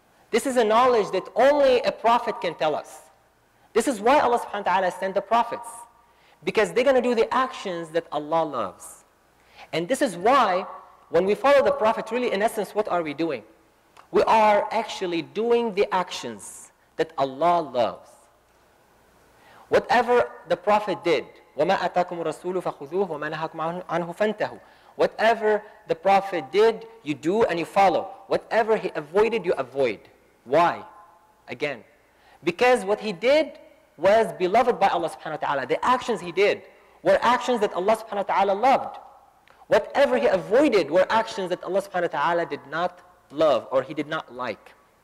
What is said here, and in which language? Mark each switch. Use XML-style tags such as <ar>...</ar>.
<en>This is a knowledge that only a prophet can tell us. This is why Allah subhanahu wa ta'ala sent the prophets. Because they're going to do the actions that Allah loves. And this is why when we follow the prophet, really in essence, what are we doing? We are actually doing the actions that Allah loves. Whatever the Prophet did,</en> <ar>وَمَا أَتَاكُمُ الرَّسُولُ فَخُذُوهُ وَمَا نَهَاكُمْ عَنْهُ فَانْتَهُ.</ar> <en>Whatever the Prophet did, you do and you follow. Whatever he avoided, you avoid. Why? Again. Because what he did was beloved by Allah subhanahu wa ta'ala. The actions he did were actions that Allah subhanahu wa ta'ala loved. Whatever he avoided were actions that Allah subhanahu wa ta'ala did not love or he did not like.</en>